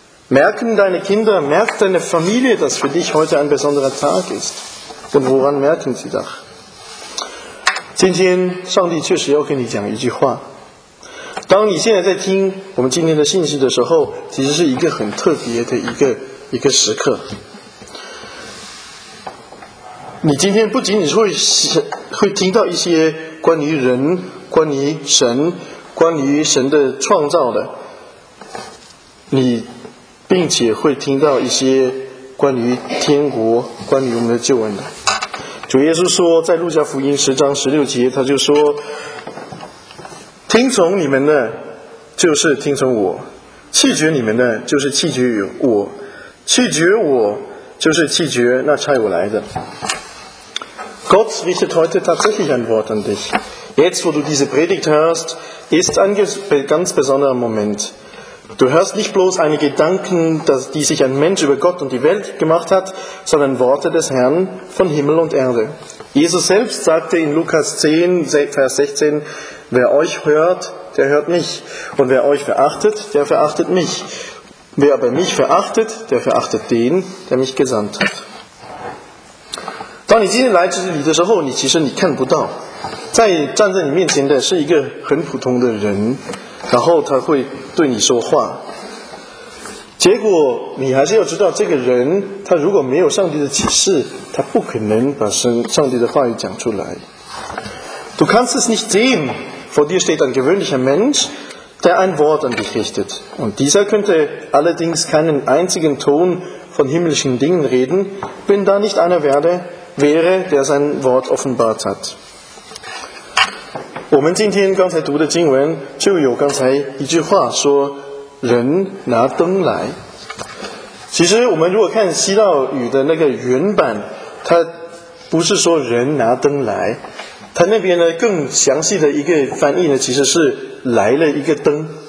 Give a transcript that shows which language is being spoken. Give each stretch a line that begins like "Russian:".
German: Merken deine Kinder, merkt deine Familie, dass für dich heute ein besonderer Tag ist? Und woran merken sie das?
Chinese: 今天上帝确实要跟你讲一句话。当你现在在听我们今天的信息的时候，其实是一个很特别的一个时刻。你今天不仅仅会听到一些关于人、关于神、关于神的创造的，你并且会听到一些关于天国、关于我们的救恩的。主耶稣说，在路加福音十章十六节，他就说：“听从你们的，就是听从我；弃绝你们的，就是弃绝我；弃绝我，就是弃绝那差我来的。”
German: Gott richtet heute tatsächlich ein Wort an dich. Jetzt, wo du diese Predigt hörst, ist ein ganz besonderer Moment. Du hörst nicht bloß einige Gedanken, die sich ein Mensch über Gott und die Welt gemacht hat, sondern Worte des Herrn von Himmel und Erde. Jesus selbst sagte in Lukas 10, Vers 16, wer euch hört, der hört mich. Und wer euch verachtet, der verachtet mich. Wer aber mich verachtet, der verachtet den, der mich gesandt hat.
Chinese: 当你今天来这里的时候，你其实你看不到，在站在你面前的是一个很普通的人，然后他会对你说话，结果你还是要知道，这个人他如果没有上帝的启示，他不可能把上帝的话语讲出来。
German: Du kannst es nicht sehen. Vor dir steht ein gewöhnlicher Mensch, der ein Wort an dich richtet. Und dieser könnte allerdings keinen einzigen Ton von himmlischen Dingen reden, wenn da nicht einer wäre, der sein Wort offenbart hat.
Chinese: 我们今天刚才读的经文就有刚才一句话说，人拿灯来。其实我们如果看希腊语的那个原版，它不是说人拿灯来，它那边呢更详细的一个翻译呢，其实是来了一个灯。